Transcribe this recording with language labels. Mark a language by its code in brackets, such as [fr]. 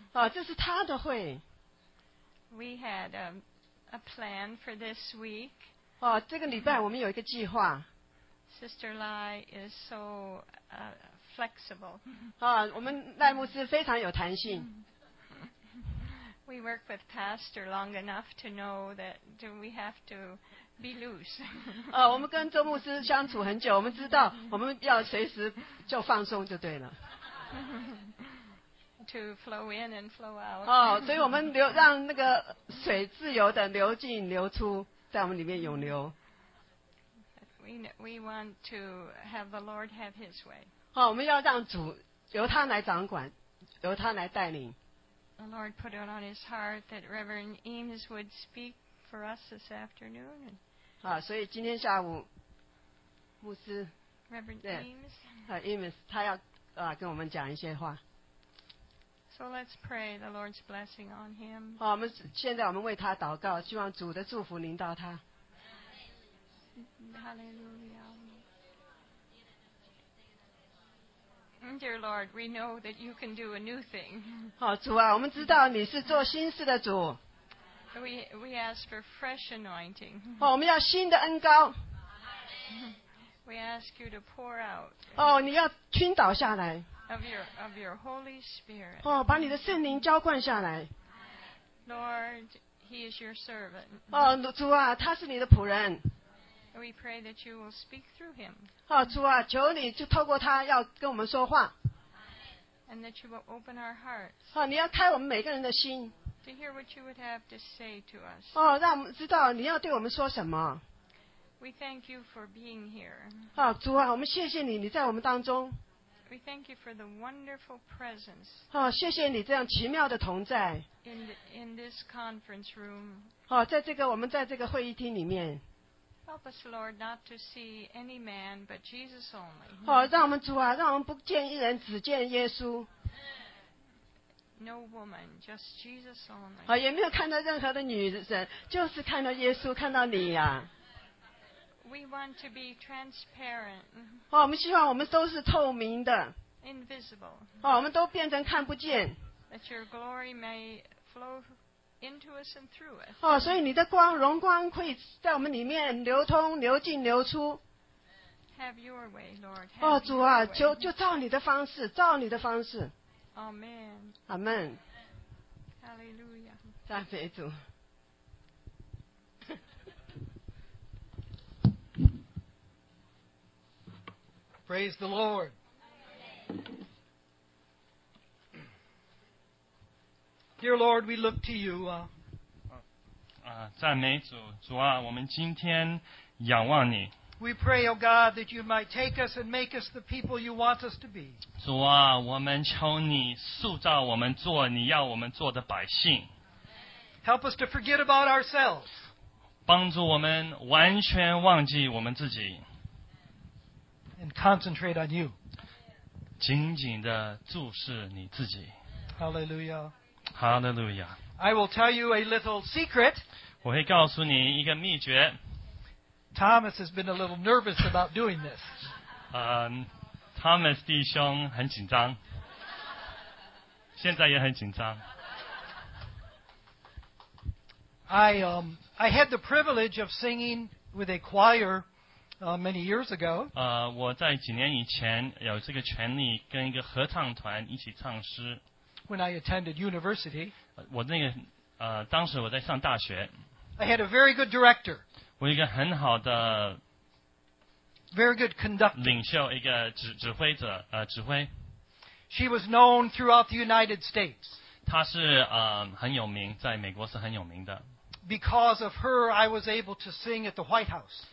[zh] 哦，这是他的会。 [en] We had a plan for this week. [zh] 哦，这个礼拜我们有一个计划。 [en] Sister Lai is so flexible. [zh] 哦，我们赖牧师非常有弹性。 [en] We work with Pastor long enough to know that we have to be loose. [zh] 哦，我们跟周牧师相处很久，我们知道我们要随时就放松就对了。 [en] To flow in and flow out. [zh] 哦，所以我们流让那个水自由的流进流出，在我们里面涌流。 [en] We want to have the Lord have His way. [zh] 哦，我们要让主由他来掌管，由他来带领。 [en] The Lord put it on his heart that Reverend Eames would speak for us this afternoon. [zh] 好，所以今天下午，牧师 [en] Reverend Eames, [zh] Eames 他要跟我们讲一些话。 [en] So let's pray the Lord's blessing on him. [zh] 好，我们现在我们为他祷告，希望主的祝福临到他。 [en] Hallelujah. Dear Lord, we know that you can do a new thing. [zh] 好，主啊，我们知道你是做新事的主。 [en] We ask for fresh anointing. [zh] 好，我们要新的恩膏。 [en] We ask you to pour out. [zh] 哦，你要倾倒下来。 [en] Of your Holy Spirit. [zh] 哦，把你的圣灵浇灌下来。 [en] Lord, He is your servant. [zh] 哦，主啊，他是你的仆人。 [en] We pray that you will speak through him. [zh] 哦，主啊，求你就透过他要跟我们说话。 [en] And that you will open our hearts. [zh] 哦，你要开我们每个人的心。 [en] To hear what you would have to say to us. [zh] 哦，让我们知道你要对我们说什么。 [en] We thank you for being here. [zh] 哦，主啊，我们谢谢你，你在我们当中。 [en] We thank you for the wonderful presence. [zh] 哦，谢谢你这样奇妙的同在。 [en] In this conference room. [zh] 哦，在这个我们在这个会议厅里面。 [en] Help us, Lord, not to see any man but Jesus only. [zh] 哦，让我们主啊，让我们不见一人，只见耶稣。 [en] No woman, just Jesus only. [zh] 哦，也没有看到任何的女人，就是看到耶稣，看到你呀。 [en] We want to be transparent. [zh] 哦，我们希望我们都是透明的。 [en] Invisible. [zh] 哦，我们都变成看不见。 [en] That your glory may flow. Into us and through us. [zh] 哦，所以你的光荣光会在我们里面流通、流进、流出。 [en] Have your way, Lord. [zh] 哦，主啊，就照你的方式，照你的方式。 [en] Amen. Amen. Hallelujah. [zh] 赞美主。 [en] Praise the Lord. Dear Lord, we look to you. [zh] 赞美主，主啊，我们今天仰望你。 [en] We pray, O God, that you might take us and make us the people you want us to be. [zh] 主啊，我们求你塑造我们做你要我们做的百姓。 [en] Help us to forget about ourselves. [zh] 帮助我们完全忘记我们自己。 [en] And concentrate on you. [zh] 紧紧地注视你自己。 [en] Hallelujah. Hallelujah. I will tell you a little secret. [zh] 我会告诉你一个秘诀。 [en] Thomas has been a little nervous about doing this. [zh] Thomas 弟兄很紧张。现在也很紧张。 [en] I had the privilege of singing with a choir many years ago. [zh] 我在几年以前有这个权利跟一个合唱团一起唱诗。 [en] When I attended university, [zh] 我那个当时我在上大学。 [en] I had a very good director. [zh] 我一个很好的。 [en] Very good conductor. [zh] 领袖一个指挥者指挥。 [en] She was known throughout the United States. [zh] 她是很有名，在美国是很有名的。 [en] Because of her, I was able to sing at the White House.